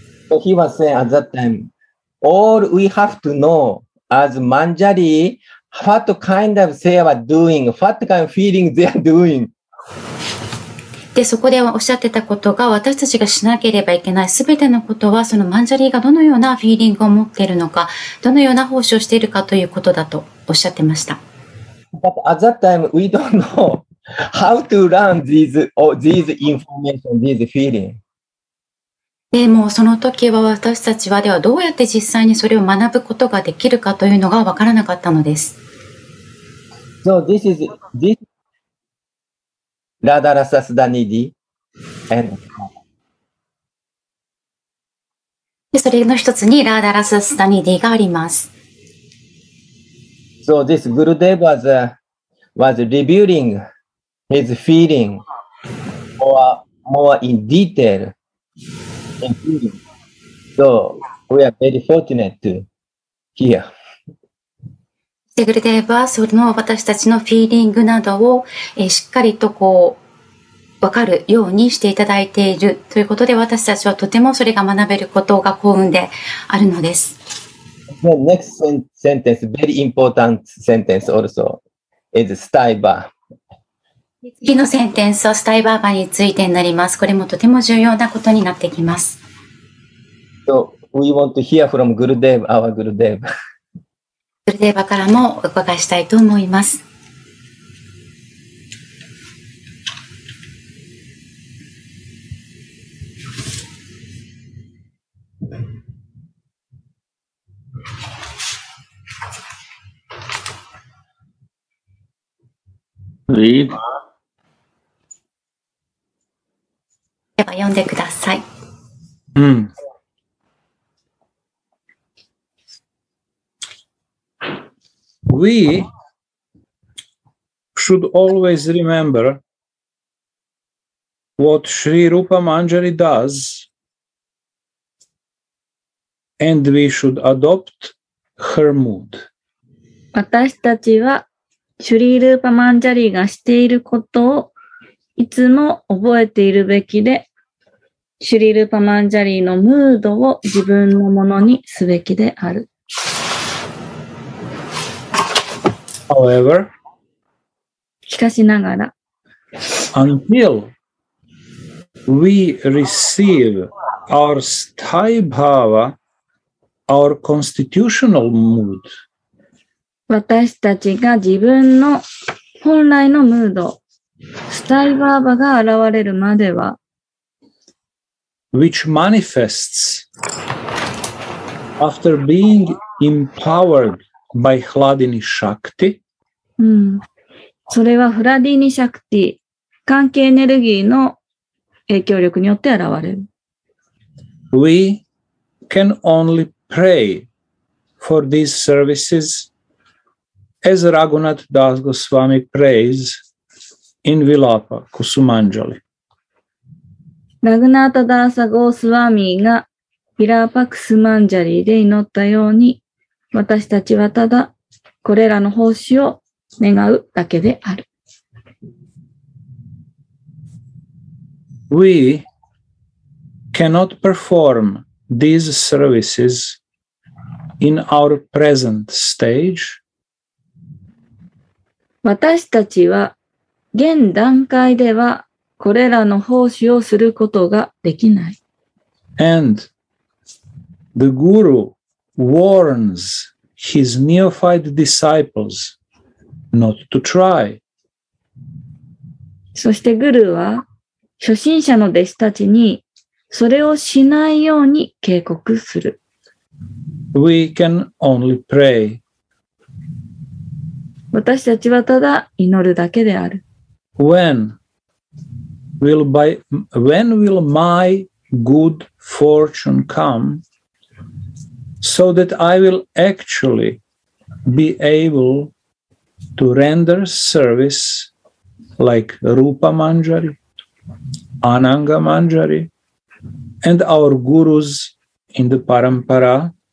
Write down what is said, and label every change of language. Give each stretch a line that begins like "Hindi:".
English: So he was saying at that time, all we have to know as Manjari,What kind of seva doing? What kind of feeling they are doing?
Japanese: で、そこでおっしゃってたことが、私たちがしなければいけないすべてのことは、そのマンジャリーがどのようなフィーリングを持っているのか、どのような奉仕をしているかということだとおっしゃってました。
English: But at that time, we don't know how to learn these information, these feeling.
Japanese: でもその時は私たちはではどうやって実際にそれを学ぶことができるかというのが分からなかったのです。
English: So this is this Radha Rasa Sudha Nidhi and
Japanese: それの一つに Radha Rasa Sudha Nidhi があります。
English: So this Gurudev was reviewing his feeling more in detail. So we are very fortunate to hear.
Japanese: セグルデーバはその私たちのフィーリングなどをしっかりとこう分かるようにしていただいているということで私たちはとてもそれが学べることが幸運であるのです。
English: The next sentence, very important sentence also, is Staiba.
Japanese: 次のセンテンスはスタイバーバについてになります。これもとても重要なことになってきます。
English: So, we want to hear from Gurudev, our Gurudev.
Japanese: Gurudevからもお伺いしたいと思います。
English: Please.
Japanese: では読んでください。うん。
English: We should always remember what Sri Rupa Manjari does, and we should adopt her mood.
Japanese: 私たちはシュリー・ルーパ・マンジャリがしていることをいつも覚えているべきで、シュリルパマンジャリーのムードを自分のものにすべきである。
English: However,
Japanese: しかしながら、
English: until we receive our sthayi bhava, our constitutional mood,
Japanese: 私たちが自分の本来のムード、スタイバーバが現れるまでは、
English: which manifests after being empowered by Hladini Shakti、
Japanese: うん、それはフラディニシャクティ、関係エネルギーの影響力によって現れる。
English: We can only pray for these services as Raghunath Das Goswami prays. In Vilapa Kusumanjali.
Japanese: ラグナータダーサゴースワミがヴィラーパクスマンジャリで祈ったように、私たちはただこれらの奉仕を願うだけである。
English: We cannot perform these services in our present stage.
Japanese: 私たちは現段階ではこれらの奉仕をすることができない。
English: And the guru warns his neophyte disciples not to try.
Japanese: そしてグルは初心者の弟子たちにそれをしないように警告する。
English: We can only pray.
Japanese: 私たちはただ祈るだけである。
English: When when will my good fortune come so that I will actually be able to render service like Rupa Manjari, Ananga Manjari, and our gurus in the Parampara?